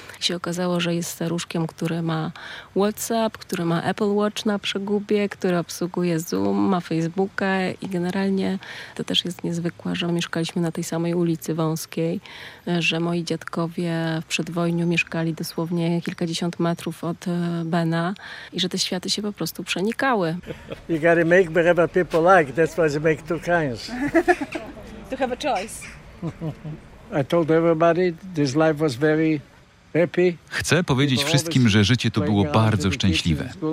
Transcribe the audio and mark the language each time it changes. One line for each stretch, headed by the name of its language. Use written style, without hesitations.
Polish: I się okazało, że jest staruszkiem, który ma WhatsApp, który ma Apple Watch na przegubie, który obsługuje Zoom, ma Facebooka i generalnie to też jest niezwykłe, że mieszkaliśmy na tej samej ulicy Wąskiej, że moi dziadkowie w przedwojniu mieszkali dosłownie kilkadziesiąt metrów od Bena i że te światy się po prostu przenikały.
English: You gotta make whatever people like, that's why you make two kinds. To have a choice. I told everybody this life was very happy.
Polish: Chcę powiedzieć wszystkim, że życie to było bardzo szczęśliwe.